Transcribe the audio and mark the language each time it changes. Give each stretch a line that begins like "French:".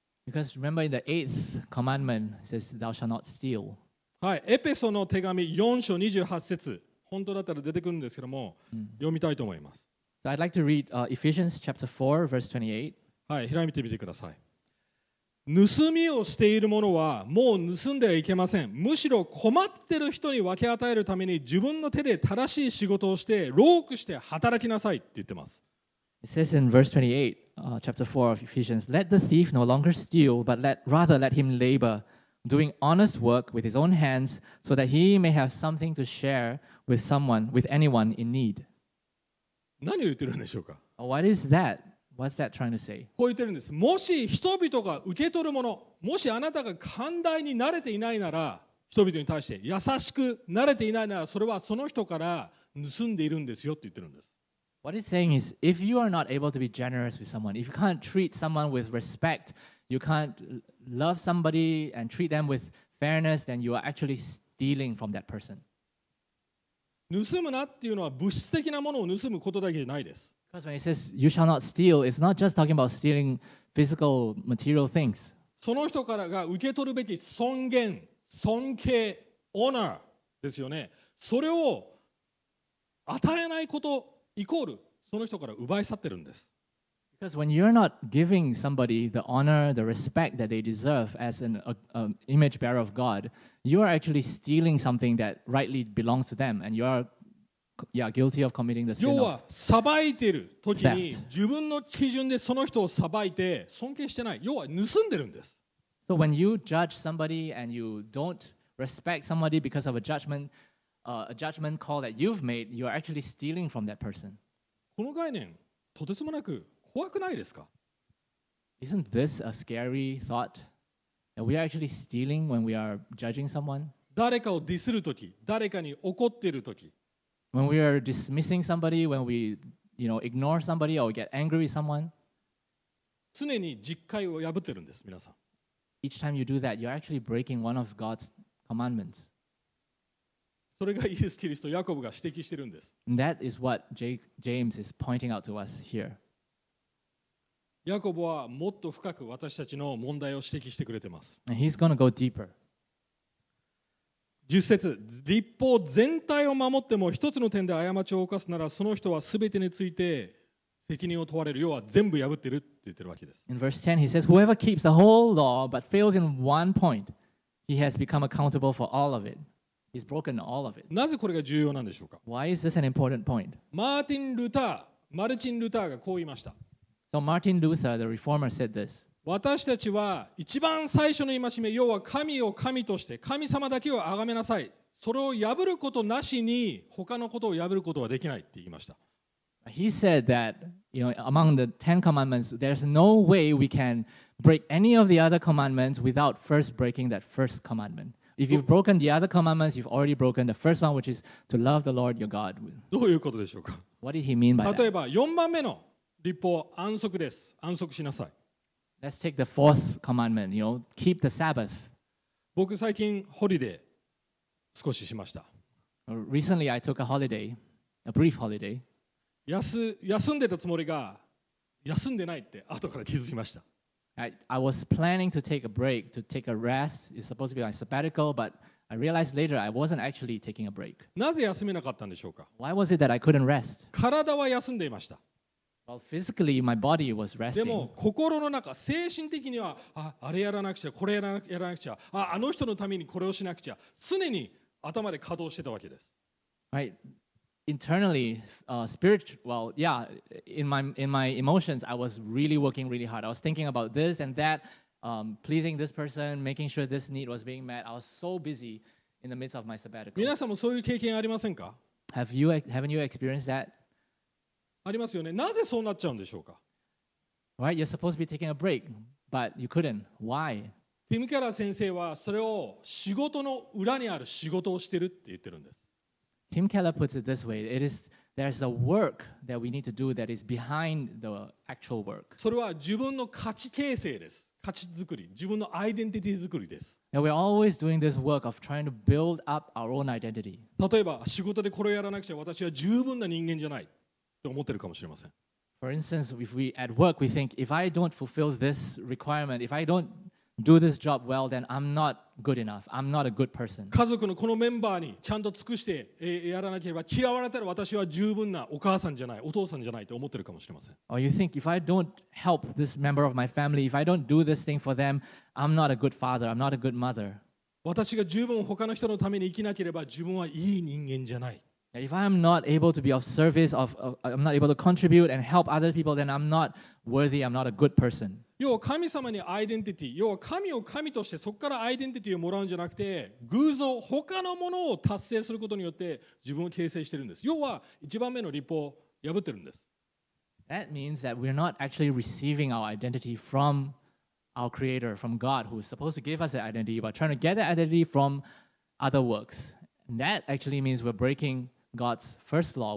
English: Because remember in the eighth commandment, it says, thou shalt not steal.
Japanese: はい、エペソの手紙4章28節。本当だったら出てくるんですけども、読みたいと思います。
English: So、I'd like to read、Ephesians chapter 4, verse 28.
Japanese: はい、開いてみてください。盗みをしているものはもう盗んではいけません。むしろ困ってる人に分け与えるために自分の手で正しい仕事をして、労苦して働きなさいって言ってます。
English: It says in verse 28, chapter 4 of Ephesians, Let the thief no longer steal, but rather let him labor, doing honest work with his own hands, so that he may have something to share with someone, with anyone in need.
Japanese: 何を言ってるんでしょうか?
English: What is that? What's that trying to say?
Japanese: こう言ってるんです。もし人々が受け取るもの、もしあなたが寛大に慣れていないなら、人々に対して優しく慣れていないなら、それはその人から盗んでいるんですよって言ってるんです。
English: What it's saying is, if you are not able to be generous with someone, if you can't treat someone with respect, you can't love somebody and treat them with fairness, then you are actually stealing from that person.
Japanese: 盗むなっていうのは物質的なものを盗むことだけじゃないです。
English: Because when it says, you shall not steal, it's not just talking about stealing physical material things.
Japanese: その人からが受け取るべき尊厳、尊敬、honor ですよね。それを与えないこと、イコールその人から奪い去ってるんです。
English: Because when you're not giving somebody the honor, the respect that they deserve as an image bearer of God, you are actually stealing something that rightly belongs to them, and you are guilty of committing the sin.
Japanese: 要は裁いてる時に自分の基準でその人を裁いて尊敬してない。要は盗んでるんです。
English: So when you judge somebody and you don't respect somebody because of a judgment call that you've made, you are actually stealing from that person.
Japanese: この概念、とてつもなく怖くないですか?
English: Isn't this a scary thought? That we are actually stealing when we are judging someone?
Japanese: 誰かをディスるとき、誰かに怒っているとき。
English: When we are dismissing somebody, when we, you know, ignore somebody or get angry with someone.
Japanese: 常に実戒を破ってるんです、皆さん。
English: Each time you do that, you are actually breaking one of God's commandments.
Japanese: それがイエス・キリスト、ヤコブが指摘しているんです。
English: That is what James is pointing out to us here.
Japanese: ヤコブはもっと深く私たちの問題を指摘してくれています。
English: And he's going to go deeper.
Japanese: 10節、立法全体を守っても一つの点で過ちを犯すなら、その人は全てについて責任を問われる。要は全部破ってるって言ってるわけです。
English: In verse 10, he says, Whoever keeps the whole law but fails in one point, he has become accountable for all of it. He's broken all of it.
Japanese: なぜこれが重要なんでしょうか?
English: Why is this an important point?
Japanese: マルチン・ルターがこう言いました。
English: So Martin Luther, the reformer, said this.
Japanese: 私たちは一番最初の戒め、要は神を神として、神様だけを崇めなさい。それを破ることなしに、他のことを破ることはできないって言いました。
English: He said that, you know, among the Ten Commandments, there's no way we can break any of the other commandments without first breaking that first commandment. If you've broken the other commandments, you've already broken the first one, which is to love the Lord your God.
Japanese: どういうことでしょうか?
English: What did he mean by that?
Japanese: 例えば、4番目の立法、安息です。安息しなさい。
English: Let's take the fourth commandment, you know, keep the Sabbath.
Japanese: 僕最近、ホリデー、少ししました。
English: Recently, I took a holiday, a brief holiday.
Japanese: 休んでたつもりが、休んでないって後から気づきました。
English: I was planning to take a break, to take a rest. It's supposed to be my sabbatical, but I realized later I wasn't actually taking a break.
Japanese: なぜ休めなかったんでしょうか?
English: Why was it that I couldn't rest?
Japanese: 体は休んでいました。
English: Well, physically, my body was resting.
Japanese: でも心の中、精神的には、あれやらなくちゃ、これやらなくちゃ、あの人のためにこれをしなくちゃ、常に頭で稼働してたわけです。
English: Right. Internally, in my emotions, I was really working really hard. I was thinking about this and that, pleasing this person, making sure this need was being met. I was so busy in the midst of my sabbatical.
Japanese: 皆さんもそういう経験ありませんか?
English: Haven't you experienced that?
Japanese: ありますよね。なぜそうなっちゃうんでしょうか?
English: Right, you're supposed to be taking a break, but you couldn't. Why?
Japanese: ティム・ケラー先生はそれを仕事の裏にある仕事をしてるって言ってるんです。
English: Tim Keller puts it this way, it is, there's a work that we need to do that is behind the actual work.
Japanese: それは自分の価値形成です。価値作り、自分のアイデンティティ作りです。
English: And we're always doing this work of trying to build up our own identity.
Japanese: 例えば、仕事でこれをやらなくちゃ私は十分な人間じゃないと思ってるかもしれません。
English: For instance, if we at work, we think, if I don't fulfill this requirement, if I don't do this job well, then I'm not good enough. I'm not a good person.
Japanese: 家族のこのメンバーにちゃんと尽くしてやらなければ嫌われたら私は十分なお母さんじゃない、お父さんじゃないと思ってるかもしれません。
English: Or you think, if I don't help this member of my family, if I don't do this thing for them, I'm not a good father, I'm not a good mother.
Japanese: 私が十分他の人のために生きなければ自分はいい人間じゃない。
English: If I'm not able to be of service, I'm not able to contribute and help other people, then I'm not worthy, I'm not a good person.
Japanese: 要は神様にアイデンティティ、要は神を神としてそこからアイデンティティをもらうんじゃなくて、偶像、他のものを達成することによって自分を形成してるんです。要は一番目の律法を破ってるんです。
English: That means that we're not actually receiving our identity from our creator, from God, who is supposed to give us that identity, but trying to get that identity from other works. That actually means we're breaking God's first law.